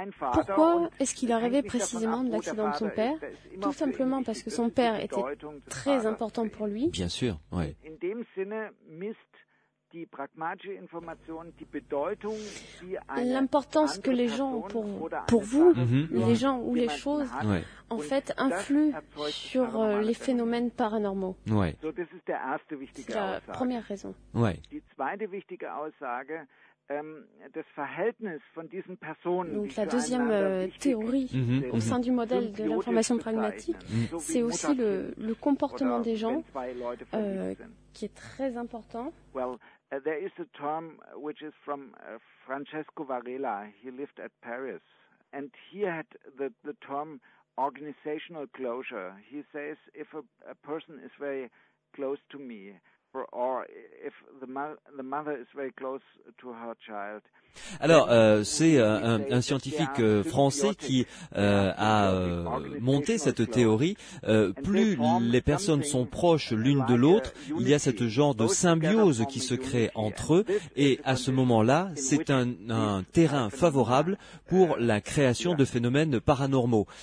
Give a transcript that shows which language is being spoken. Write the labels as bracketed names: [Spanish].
[French] Pourquoi est-ce qu'il a rêvé précisément de l'accident de son père ? Tout simplement parce que son père était très important pour lui. Bien sûr, oui. [German] In dem Sinne misst die pragmatische Information die Bedeutung, die eine [French] L'importance que les gens ont pour vous, les gens ou les choses, en fait, influent sur les phénomènes paranormaux. Ouais. C'est la première raison. Ouais. [German] Die zweite wichtige Aussage, das Verhältnis von diesen Personen. [French] Donc la deuxième théorie au sein du modèle de l'information pragmatique, c'est aussi le comportement des gens qui est très important. [English] Well, there is a term which is from Francesco Varela. He lived at Paris and he had the term organizational closure. He says if a person is very close to me, or if the mother is very close to her child. [French] Alors, c'est un scientifique français qui a monté cette théorie. Plus les personnes sont proches l'une de l'autre, il y a cette genre de symbiose qui se crée entre eux, et à ce moment-là, c'est un terrain favorable pour la création de phénomènes paranormaux.